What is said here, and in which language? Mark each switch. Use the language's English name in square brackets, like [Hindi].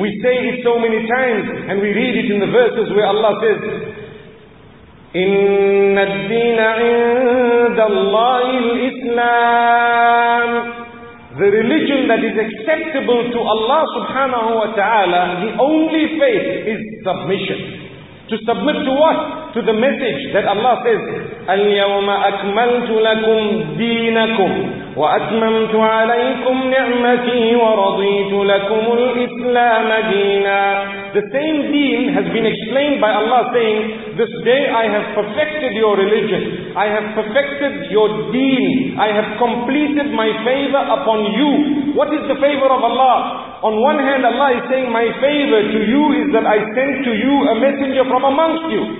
[English] We say it so many times, and we read it in the verses where Allah says, [Arabic] إِنَّ الدِّينَ عِنْدَ اللَّهِ الْإِسْلَامِ. [English] The religion that is acceptable to Allah subhanahu wa ta'ala, the only faith is submission. To submit to what? To the message that Allah says, [Arabic] الْيَوْمَ أَكْمَلْتُ لَكُمْ دِينَكُمْ وَأَكْمَمْتُ عَلَيْكُمْ نِعْمَتِي وَرَضِيتُ لَكُمُ الْإِسْلَامَ دِينًا. [English] The same deen has been explained by Allah saying, this day I have perfected your religion, I have perfected your deen, I have completed my favor upon you. What is the favor of Allah? On one hand, Allah is saying, my favor to you is that I sent to you a messenger from amongst you.